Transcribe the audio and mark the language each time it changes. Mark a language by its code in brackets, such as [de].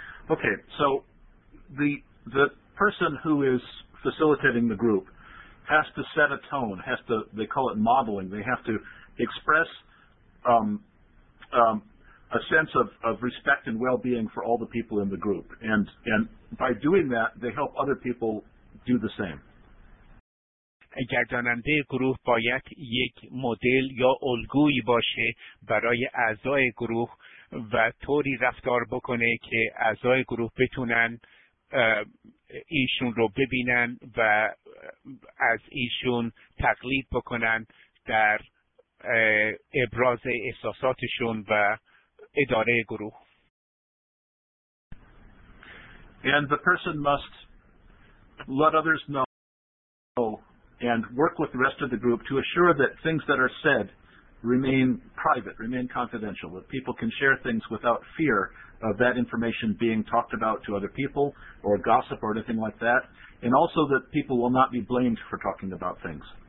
[en] Okay, so the person who is facilitating the group has to set a tone, has to, they call it modeling, they have to express a sense of respect and well-being for all the people in the group. And by doing that, they help other people do the same. [fa] گرداننده گروه باید یک مدل یا الگویی باشه برای اعضای گروه و طوری رفتار بکنه که اعضای گروه بتونن ایشون رو ببینن و از ایشون تقلید بکنن در ابراز احساساتشون و اداره گروه. [en] And the person must let others know and work with the rest of the group to assure that things that are said remain private, remain confidential, that people can share things without fear of that information being talked about to other people or gossip or anything like that, and also that people will not be blamed for talking about things.